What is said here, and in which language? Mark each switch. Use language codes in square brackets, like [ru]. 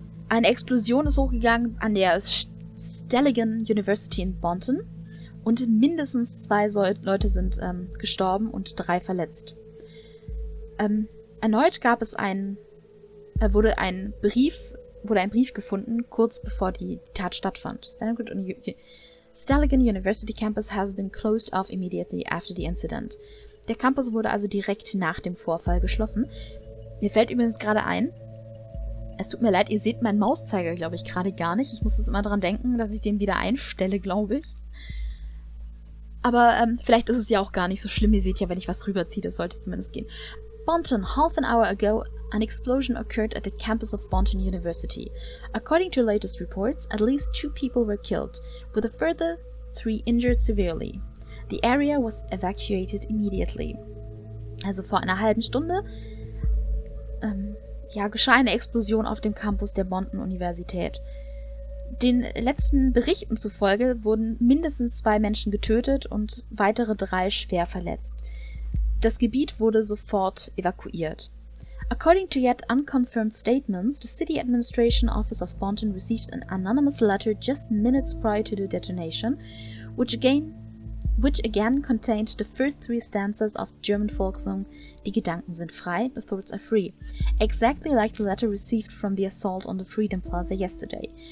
[de] Eine Explosion ist hochgegangen an der Stallion University in Bonton. Und mindestens zwei Leute sind gestorben und drei verletzt. Erneut gab es ein Brief gefunden, kurz bevor die Tat stattfand. [en] Stallion University Campus has been closed off immediately after the incident. [de] Der Campus wurde also direkt nach dem Vorfall geschlossen. Mir fällt übrigens gerade ein, es tut mir leid, ihr seht meinen Mauszeiger, glaube ich, gerade gar nicht. Ich muss es immer dran denken, dass ich den wieder einstelle, glaube ich. Aber vielleicht ist es ja auch gar nicht so schlimm. Ihr seht ja, wenn ich was rüberziehe, das sollte zumindest gehen. [en] Bonton, half an hour ago, an explosion occurred at the campus of Bonton University. According to latest reports, at least two people were killed, with a further three injured severely. The area was evacuated immediately. [de] Also vor einer halben Stunde geschah eine Explosion auf dem Campus der Bonton Universität. Den letzten Berichten zufolge wurden mindestens zwei Menschen getötet und weitere drei schwer verletzt. Das Gebiet wurde sofort evakuiert. [en] According to yet unconfirmed statements, the City Administration Office of Bonton received an anonymous letter just minutes prior to the detonation, which again contained the first three stanzas of German folk song Die Gedanken sind frei, the thoughts are free, exactly like the letter received from the assault on the Freedom Plaza yesterday.